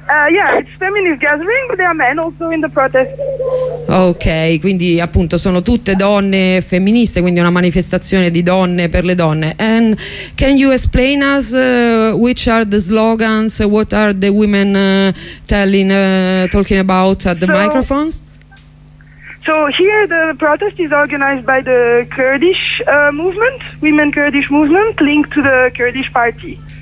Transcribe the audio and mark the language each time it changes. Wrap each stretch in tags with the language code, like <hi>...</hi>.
<en>Yeah, it's feminist gathering, but there are men also in the protest.</en> <it>Ok, quindi appunto sono tutte donne femministe, quindi una manifestazione di donne per le donne.</it> <en>And can you explain us which are the slogans, what are the women talking about at the microphones? So here the protest is organized by the Kurdish movement, Women Kurdish Movement, linked to the Kurdish party.</en>